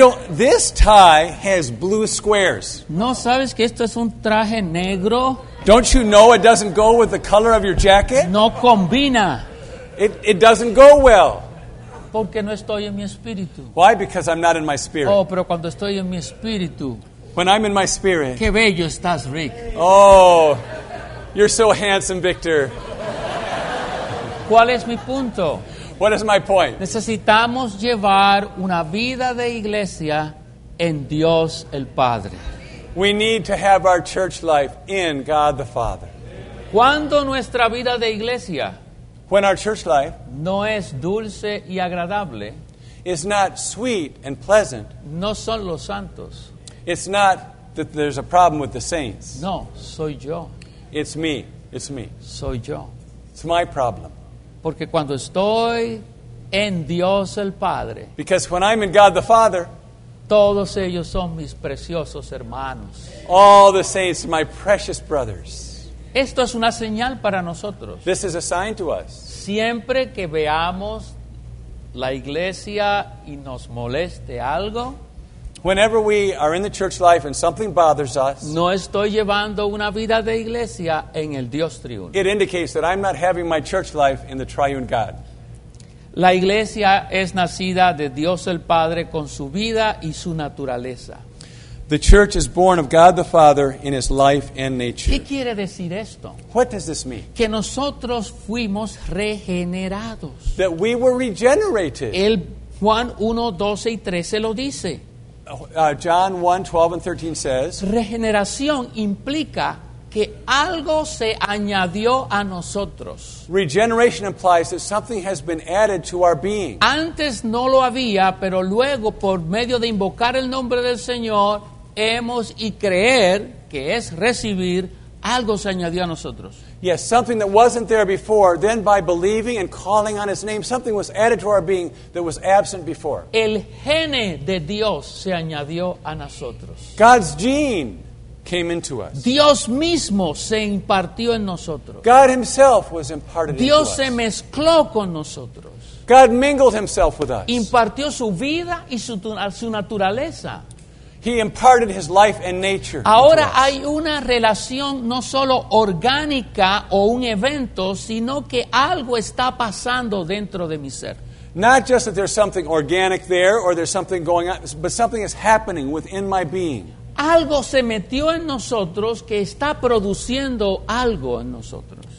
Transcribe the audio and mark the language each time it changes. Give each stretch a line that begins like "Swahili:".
English: This tie has blue squares.
Spanish: ¿No sabes que esto es un traje negro?
English: Don't you know it doesn't go with the color of your jacket?
Spanish: No combina.
English: It doesn't go well.
Spanish: Porque no estoy en mi espíritu.
English: Why? Because I'm not in my spirit.
Spanish: Oh, pero cuando estoy en mi espíritu.
English: When I'm in my spirit.
Spanish: Qué bello estás, Rick.
English: Oh, you're so handsome, Victor.
Spanish: ¿Cuál es mi punto?
English: What is my point?
Spanish: Necesitamos llevar una vida de iglesia en Dios el Padre.
English: We need to have our church life in God the Father.
Spanish: ¿Cuándo nuestra vida de iglesia?
English: When our church life
Spanish: no es dulce y agradable,
English: is not sweet and pleasant.
Spanish: No son los santos.
English: It's not that there's a problem with the saints.
Spanish: No, soy yo.
English: It's me. It's me.
Spanish: Soy yo.
English: It's my problem.
Spanish: Porque cuando estoy en Dios el Padre,
English: because when I'm in God the Father,
Spanish: todos ellos son mis preciosos hermanos.
English: All the saints, my precious brothers.
Spanish: Esto es una señal para nosotros.
English: This is a sign to us.
Spanish: Siempre que veamos la iglesia y nos moleste algo,
English: whenever we are in the church life and something bothers us,
Spanish: no estoy llevando una vida de iglesia en el Dios triuno.
English: It indicates that I'm not having my church life in the triune God.
Spanish: La iglesia es nacida de Dios el Padre con su vida y su naturaleza.
English: The church is born of God the Father in his life and nature.
Spanish: ¿Qué quiere decir esto?
English: What does this mean?
Spanish: Que nosotros fuimos regenerados.
English: That we were regenerated.
Spanish: El Juan 1, 12 y 13 lo dice.
English: John 1, 12 and 13 says,
Spanish: regeneración implica que algo se añadió a nosotros.
English: Regeneration implies that something has been added to our being.
Spanish: Antes no lo había, pero luego por medio de invocar el nombre del Señor, hemos y creer, que es recibir, algo se añadió a nosotros.
English: Yes, something that wasn't there before, then by believing and calling on his name, something was added to our being that was absent before.
Spanish: El gene de Dios se añadió a nosotros.
English: God's gene came into us.
Spanish: Dios mismo se impartió en nosotros.
English: God himself was imparted into us.
Spanish: Dios se mezcló con nosotros.
English: God mingled himself with us.
Spanish: Impartió su vida y su naturaleza.
English: He imparted his life and nature.
Spanish: Ahora hay una relación no solo orgánica o un evento, sino que algo está pasando dentro de mi ser.
English: Not just that there's something organic there or there's something going on, but something is happening within my being.
Spanish: Algo se metió en nosotros que está produciendo algo en nosotros.